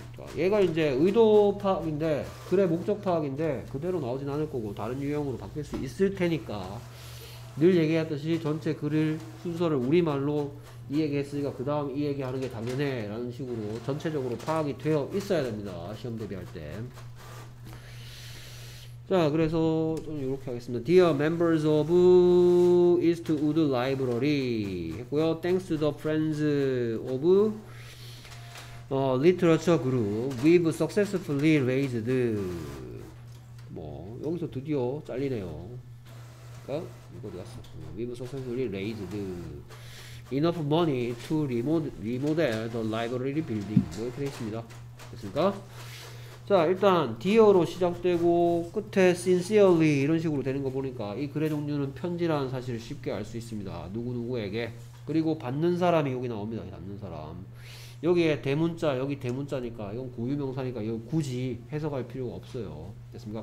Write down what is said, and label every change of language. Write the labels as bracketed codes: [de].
[ko] 자, 얘가 이제 의도 파악인데, 글의 목적 파악인데 그대로 나오진 않을 거고 다른 유형으로 바뀔 수 있을 테니까 늘 얘기했듯이 전체 글을 순서를 우리말로 이 얘기했으니까 그 다음 이 얘기하는 게 당연해라는 식으로 전체적으로 파악이 되어 있어야 됩니다. 시험 대비할 때. 자, 그래서 좀 이렇게 하겠습니다. [en] Dear members of Eastwood Library [ko] 했고요. [en] Thanks to the friends of Literature Group, we've successfully raised. [ko] 뭐 여기서 드디어 잘리네요. 그러니까 이거 어디 갔어? [en] We've successfully raised enough money to remodel the library building. [ko] 뭐 이렇게 되어 있습니다. 됐습니까? 자, 일단 dear로 시작되고 끝에 sincerely 이런 식으로 되는 거 보니까 이 글의 종류는 편지라는 사실을 쉽게 알수 있습니다. 누구누구에게. 그리고 받는 사람이 여기 나옵니다. 받는 사람. 여기에 대문자, 여기 대문자니까 이건 고유명사니까 이거 굳이 해석할 필요가 없어요. 됐습니까?